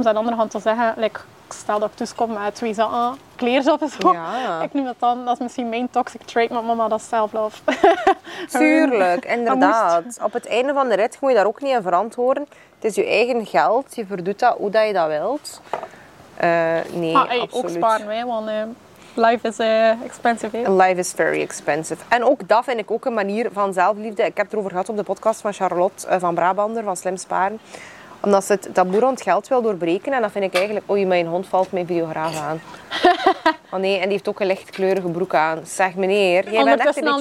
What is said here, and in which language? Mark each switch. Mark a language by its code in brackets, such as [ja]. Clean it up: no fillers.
[nl] En aan de andere hand te zeggen, like, stel dat ik tussenkom met twee zakken kleren of zo. Ja. Ik noem dat dan, dat is misschien mijn [en] toxic trait, [nl] maar mama, dat is self-love. Tuurlijk, inderdaad. Op het einde van de rit moet je daar ook niet aan verantwoorden. Het is je eigen geld, je verdoet dat hoe je dat wilt. Nee, maar, absoluut. Ook sparen wij, want [en] life is expensive. Hè? Life is very expensive. [nl] En ook dat vind ik ook een manier van zelfliefde. Ik heb het erover gehad op de podcast van Charlotte van Brabander, van Slim Sparen. Omdat ze het taboe rond geld wil doorbreken. En dan vind ik eigenlijk... Oei, mijn hond valt mijn videograaf aan. Oh nee, en die heeft ook een lichtkleurige broek aan. Zeg meneer, jij bent echt een beetje